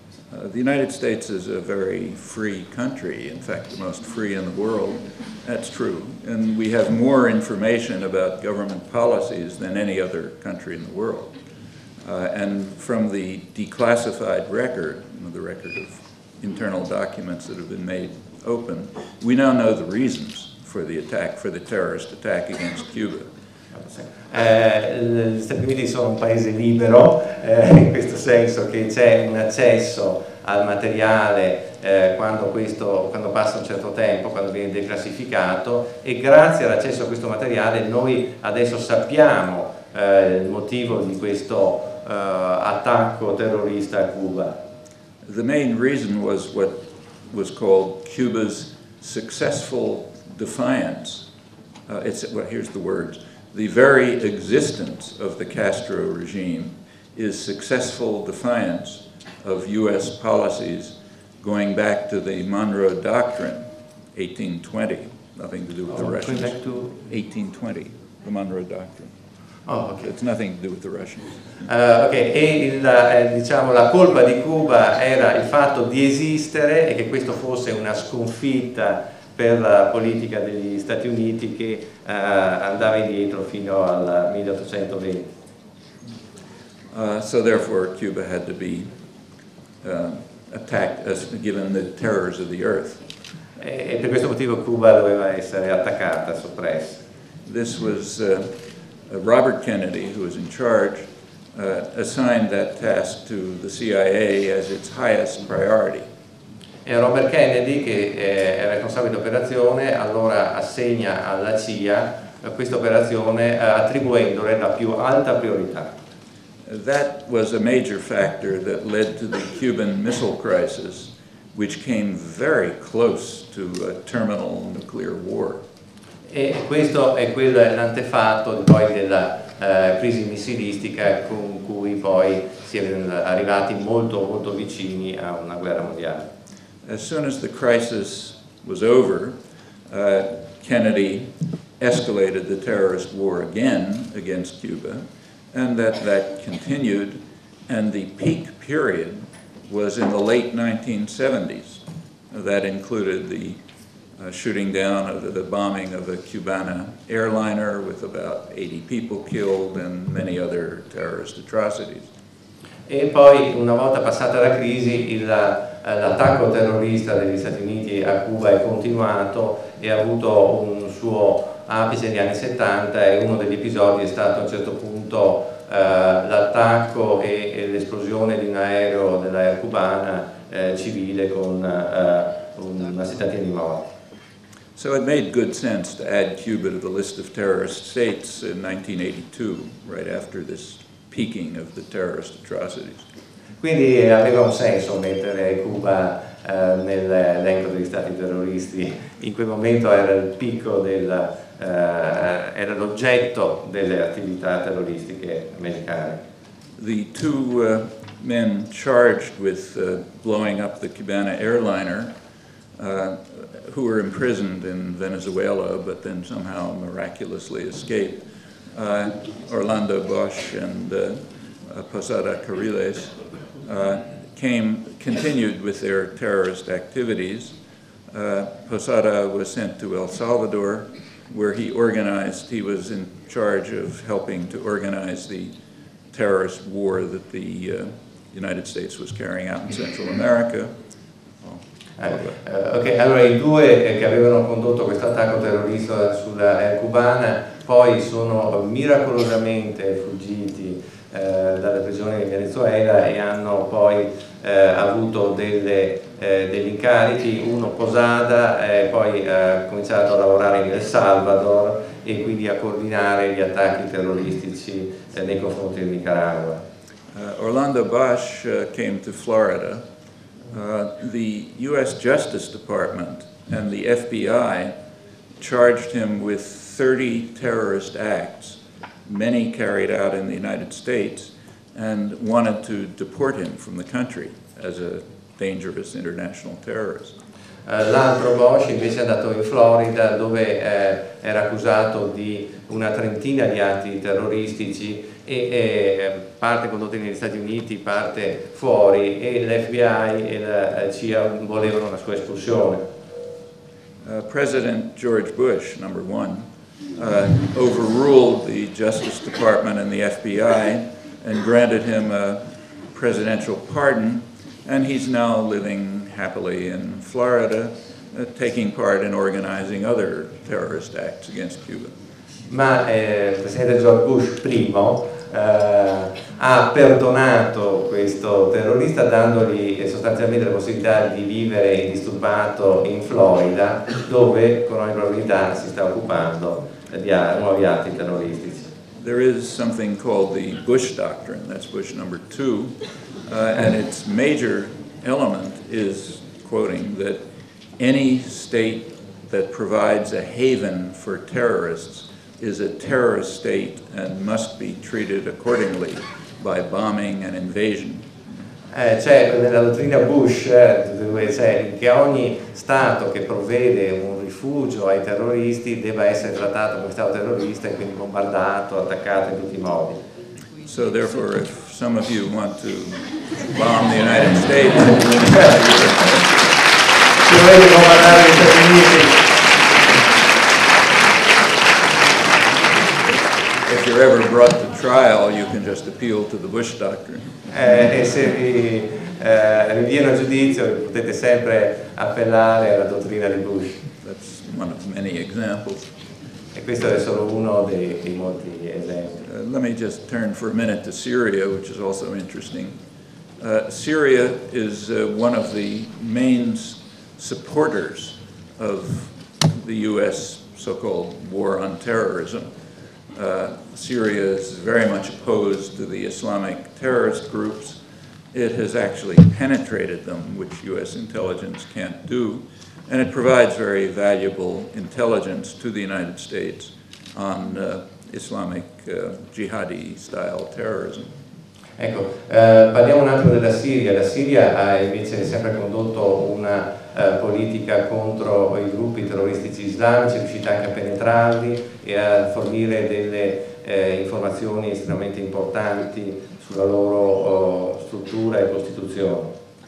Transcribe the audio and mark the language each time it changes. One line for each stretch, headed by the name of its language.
English: The United States is a very free country, in fact the most free in the world, that's true, and we have more information about government policies than any other country in the world. And from the declassified record, the record of internal documents that have been made open, we now know the reasons for the attack, for the terrorist attack against Cuba.
Italian: Gli Stati Uniti sono un paese libero, in questo senso che c'è un accesso al materiale quando passa un certo tempo, quando viene declassificato, e grazie all'accesso a questo materiale noi adesso sappiamo il motivo di questo attacco terrorista a Cuba.
English: The main reason was what was called Cuba's successful defiance. Here's the words. The very existence of the Castro regime is successful defiance of U.S. policies going back to the Monroe Doctrine, 1820, nothing to do with the Russians. Back to 1820, the Monroe Doctrine. Oh, okay. It's nothing to do with the Russians.
Italian: E la colpa di Cuba era il fatto di esistere e che questo fosse una sconfitta per la politica degli Stati Uniti che andava indietro fino al 1820.
English: So therefore Cuba had to be attacked as given the terrors of the earth.
Italian: E per questo motivo Cuba doveva essere attaccata, soppressa.
English: This was Robert Kennedy, who was in charge, assigned that task to the CIA as its highest priority.
Italian: E Robert Kennedy, che è responsabile dell'operazione, allora assegna alla CIA questa operazione attribuendole la più alta priorità.
English: That was a major factor that led to the Cuban Missile Crisis, which came very close to a terminal nuclear war.
Italian: E questo è quello l'antefatto poi della crisi missilistica con cui poi si è arrivati molto molto vicini a una guerra mondiale.
English: As soon as the crisis was over, Kennedy escalated the terrorist war again against Cuba, and that continued, and the peak period was in the late 1970s. That included the shooting down of the bombing of a Cubana airliner with about 80 people killed and many other terrorist atrocities.
Italian: E poi, una volta passata la crisi, l'attacco terrorista degli Stati Uniti a Cuba è continuato e ha avuto un suo apice negli anni 70 e uno degli episodi è stato a un certo punto l'attacco e l'esplosione di un aereo della Air Cubana civile con una settantina di morti.
English: So it made good sense to add Cuba to the list of terrorist states in 1982, right after this peaking of the terrorist atrocities.
Italian: Quindi aveva un senso mettere Cuba nell'elenco degli stati terroristi. In quel momento era il picco era l'oggetto delle attività terroristiche americane.
English: The two men charged with blowing up the Cubana airliner, who were imprisoned in Venezuela but then somehow miraculously escaped, Orlando Bosch and Posada Carriles, continued with their terrorist activities. Posada was sent to El Salvador, where he was in charge of helping to organize the terrorist war that the United States was carrying out in Central America.
Italian: Allora i due che avevano condotto questo attacco terrorista sulla cubana poi sono miracolosamente fuggiti dalla prigione di Venezuela e hanno poi avuto degli incarichi, uno Posada poi ha cominciato a lavorare in El Salvador e quindi a coordinare gli attacchi terroristici nei confronti del Nicaragua.
English: Orlando Bosch came to Florida. The U.S. Justice Department and the FBI charged him with 30 terrorist acts, many carried out in the United States, and wanted to deport him from the country as a dangerous international terrorist.
Italian: L'altro Bosch invece è andato in Florida dove era accusato di una trentina di atti terroristici e parte condotti negli Stati Uniti, parte fuori e l'FBI e la CIA volevano la sua espulsione.
English: President George Bush, number one, overruled the Justice Department and the FBI and granted him a presidential pardon. And he's now living happily in Florida, taking part in organizing other terrorist acts against Cuba.
Italian: Ma il presidente George Bush primo ha perdonato questo terrorista dandogli sostanzialmente la possibilità di vivere indisturbato in Florida, dove con ogni probabilità si sta occupando di nuovi atti terroristici.
English: there is something called the Bush Doctrine, that's Bush number two, and its major element is, quoting, that any state that provides a haven for terrorists is a terrorist state and must be treated accordingly by bombing and invasion.
Italian: Cioè, nella dottrina Bush, cioè, che ogni Stato che provvede un rifugio ai terroristi debba essere trattato come Stato terrorista e quindi bombardato, attaccato in tutti i modi.
English: So therefore, if some of you want to bomb the United States,
Italian: se volete bombardare gli Stati Uniti,
English: if you're ever brought to trial, you can just appeal to the Bush Doctrine.
Italian: E se vi viene a giudizio potete sempre appellare alla dottrina di Bush.
English: That's one of many examples.
Italian: E questo è solo uno dei molti esempi.
English: Let me just turn for a minute to Syria, which is also interesting. Syria is one of the main supporters of the U.S. so-called war on terrorism. Syria is very much opposed to the Islamic terrorist groups. It has actually penetrated them, which U.S. intelligence can't do, and it provides very valuable intelligence to the United States on Islamic jihadi-style terrorism.
Italian: Ecco, parliamo un attimo della Siria. La Siria ha invece sempre condotto una politica contro i gruppi terroristici islamici, è riuscita anche a penetrarli e a fornire delle informazioni estremamente importanti sulla loro struttura e costituzione.